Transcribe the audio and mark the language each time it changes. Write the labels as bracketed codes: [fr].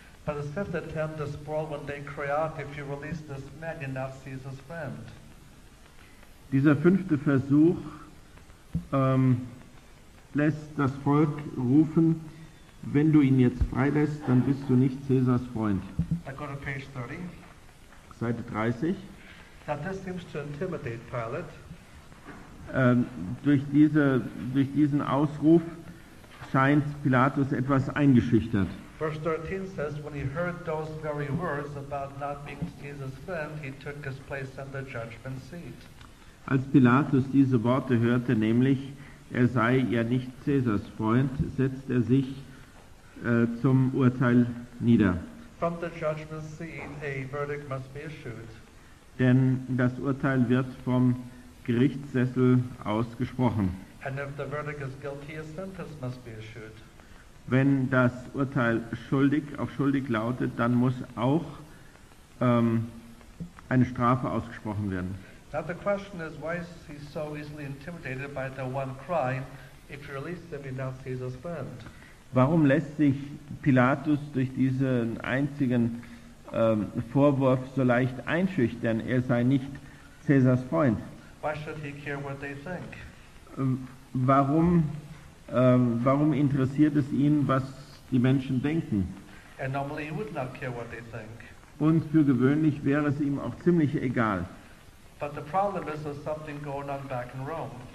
[en] But his fifth attempt is spoiled when they cry out, if you release this man, you're not Caesar's friend. [de] Dieser fünfte Versuch lässt das Volk rufen, wenn du ihn jetzt freilässt, dann bist du nicht Caesars Freund. [en] I go to page 30. [de] Seite 30. [en] Now this seems to intimidate Pilate. [de] Durch diesen Ausruf scheint Pilatus etwas eingeschüchtert. [en] Verse 13 says, when he heard those very words about not being Caesar's friend, he took his place on the judgment seat. [de] Als Pilatus diese Worte hörte, nämlich er sei ja nicht Caesars Freund, setzt er sich zum Urteil nieder. [en] From the judgment seat, a verdict must be issued. [de] Denn das Urteil wird vom Gerichtssessel ausgesprochen. [en] And if the verdict is guilty, a sentence must be issued. [de] Wenn das Urteil schuldig lautet, dann muss auch eine Strafe ausgesprochen werden. [en] Now the question is, why is he so easily intimidated by the one crime, if you release him, he's not Caesar's friend? [de] Warum lässt sich Pilatus durch diesen einzigen Vorwurf so leicht einschüchtern, er sei nicht Caesars Freund? [en] Why should he care what they think? [de] Warum interessiert es ihn, was die Menschen denken? [en] And normally he would not care what they think. [de] Und für gewöhnlich wäre es ihm auch ziemlich egal. [en] But the problem is there's something going on back in Rome.